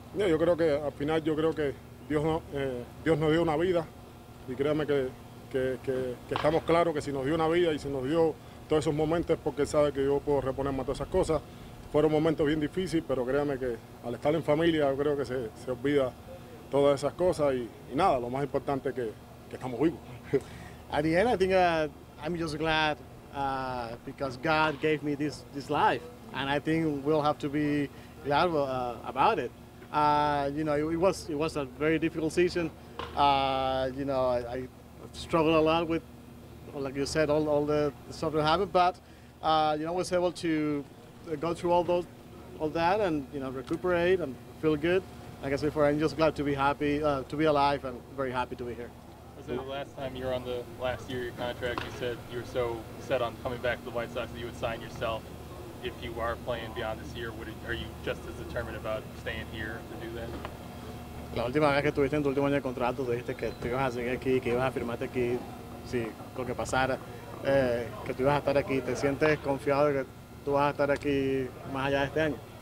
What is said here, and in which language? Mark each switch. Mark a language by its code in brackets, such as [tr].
[es] No, yo creo que al final yo creo que Dios nos dio una vida y créame que estamos claros que si nos dio una vida y si nos dio todos esos momentos porque sabe que yo puedo reponerme a todas esas cosas. Fueron momentos bien difíciles, pero créame que al estar en familia yo creo que se olvida todas esas cosas y nada, lo más importante es que estamos vivos. [en] Ariel, I think I'm just glad because God gave me this life, and I think we'll have to be glad about it. You know, it was a very difficult season. You know, I struggled a lot with, like you said, all the stuff that happened. But you know, I was able to go through all that, and you know, recuperate and feel good. Like I said before, I'm just glad to be happy to be alive, and very happy to be here. So the last time you were on the last year of your contract, you said you were so set on coming back to the White Sox that you would sign yourself if you are playing beyond this year. Are you just as determined about staying here to do that? [es] La última vez que estuviste en tu último año de contrato, dijiste que te ibas a seguir aquí, que ibas a firmarte aquí, si lo que pasara, que tú ibas a estar aquí. ¿Te sientes confiado de que tú vas a estar aquí más allá de este año?